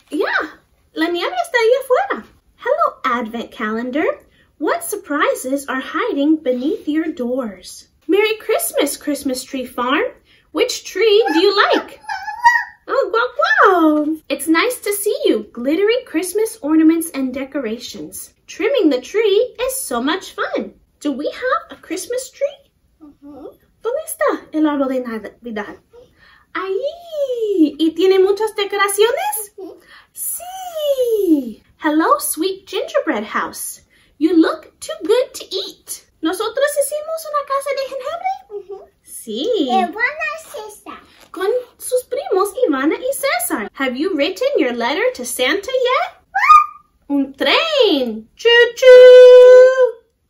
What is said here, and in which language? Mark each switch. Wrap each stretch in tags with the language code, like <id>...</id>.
<en>Yeah,</en> <es>la nieve está ahí afuera.</es> <en>Hello, Advent Calendar. What surprises are hiding beneath your doors? Merry Christmas, Christmas Tree Farm. Which tree do you like? Oh, guaguá. It's nice to see you. Glittery Christmas ornaments and decorations. Trimming the tree is so much fun. Do we have a Christmas tree?</en> <es>¿Dónde está el árbol de Navidad? ¡Ahí! ¿Y tiene muchas decoraciones? ¡Sí!</es> <en>Hello, sweet gingerbread house. You look too good to eat.</en> <es>¿Nosotros hicimos una casa de jengibre? Sí. Ivana y César. Con sus primos Ivana y César.</es> <en>Have you written your letter to Santa yet?</en> <es>Un tren.</es> <en>Choo choo.</en>